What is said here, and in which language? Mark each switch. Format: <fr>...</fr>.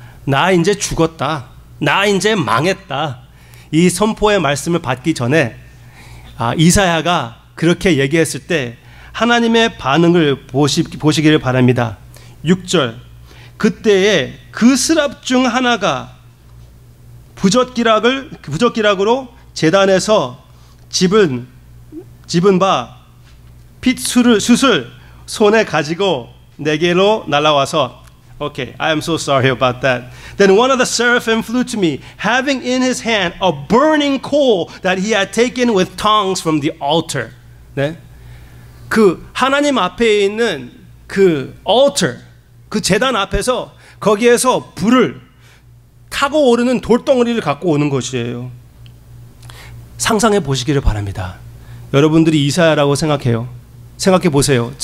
<ko>나 이제 죽었다. 나 이제 망했다. 이 선포의 말씀을 받기 전에 이사야가 그렇게 얘기했을 때 하나님의 반응을 보시기를 바랍니다. 6절. 그때에 그 스랍 중 하나가 부젓기락으로 재단에서 집은 바 핏수술 손에 가지고 내게로 날아와서</ko> <en>Okay, I am so sorry about that. Then one of the seraphim flew to me, having in his hand a burning coal that he had taken with tongs from the altar.</en> <ko>네? 그 하나님 앞에 있는 그 altar, 그 제단 앞에서 거기에서 불을 타고 오르는 돌덩어리를 갖고 오는 것이에요. 상상해 보시기를 바랍니다. 여러분들이 이사야라고 생각해요. 생각해 보세요.</ko>